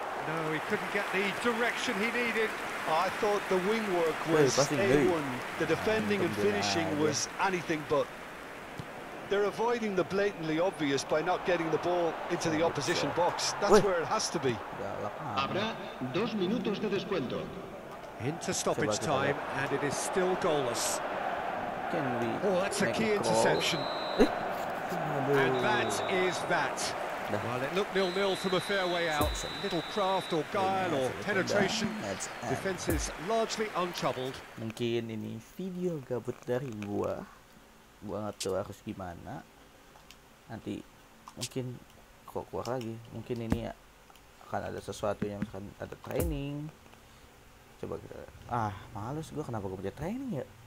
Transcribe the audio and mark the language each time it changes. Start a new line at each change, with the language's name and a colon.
English: No, he couldn't get the direction he needed. I thought the wing work was A1. The defending and finishing was anything but. They're avoiding the blatantly obvious by not getting the ball into the opposition box. That's where it has to be.
Spanish: Habrá dos minutos de descuento.
English: Into stoppage time, and it is still goalless. Oh, that's a key interception. And that is that. Well, it looked nil-nil from a fair way out. Little craft or guile or penetration. Defense is largely untroubled.
Indonesian: Mungkin ini video gabut dari gua. Gua nggak tahu harus gimana. Nanti mungkin kok keluar lagi. Mungkin ini ya, akan ada sesuatu yang akan ada training. Coba kita. Ah, males gua. Kenapa gua punya training ya?